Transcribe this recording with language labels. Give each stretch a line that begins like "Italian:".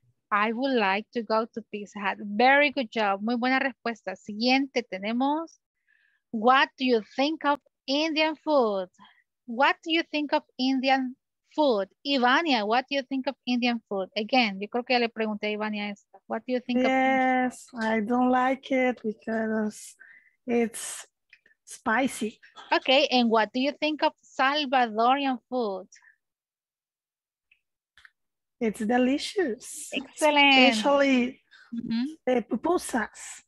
English: I would like to go to Pizza Hut. Very good job.
Spanish: Muy buena respuesta. Siguiente tenemos.
English: What do you think of Indian food? What do you think of Indian food? Ivania, what do you think of Indian food? Again,
Spanish: yo creo que ya le pregunté a Ivania esta.
English: What do you think yes, of Indian food? Yes, I don't like it because it's spicy. Okay, and what do you think of Salvadorian food? It's delicious. Excellent. Especially pupusas.